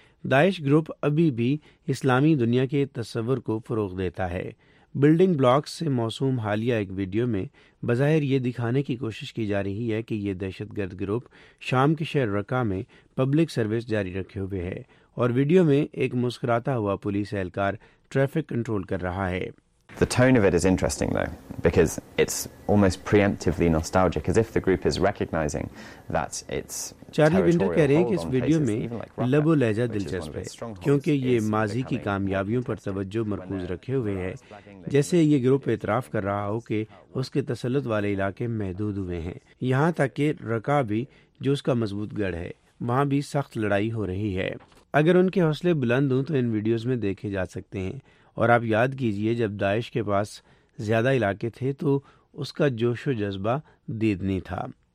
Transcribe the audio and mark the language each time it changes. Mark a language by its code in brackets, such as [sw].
[ur] داعش group ابھی بھی اسلامی دنیا کے تصور کو فروغ دیتا ہے۔ بلڈنگ بلاکس سے موسوم حالیہ ایک ویڈیو میں بظاہر یہ دکھانے کی کوشش کی جا رہی ہے کہ یہ دہشت گرد گروپ شام کے شہر رکہ میں پبلک سروس جاری رکھے ہوئے ہے، اور ویڈیو میں ایک مسکراتا ہوا پولیس اہلکار ٹریفک کنٹرول کر رہا ہے۔ [en] The tone of it is interesting though because it's almost preemptively nostalgic as if the group is recognizing that it's [ur] Charlie winter کہہ رہے ہیں کہ اس ویڈیو میں لب و لہجہ دلچسپ ہے، کیونکہ یہ ماضی کی کامیابیوں پر توجہ مرکوز رکھے ہوئے ہے، جیسے یہ گروپ اعتراف کر رہا ہو کہ اس کے تسلط والے علاقے محدود ہوئے ہیں، یہاں تک کہ رکہ بھی، جو اس کا مضبوط گڑھ ہے، وہاں بھی سخت لڑائی ہو رہی ہے۔ اگر ان کے حوصلے بلند ہوں تو ان ویڈیوز میں دیکھے جا سکتے ہیں۔ اور آپ یاد کیجئے، جب داعش کے پاس زیادہ علاقے تھے تو اس کا جوش و جذبہ دیدنی تھا۔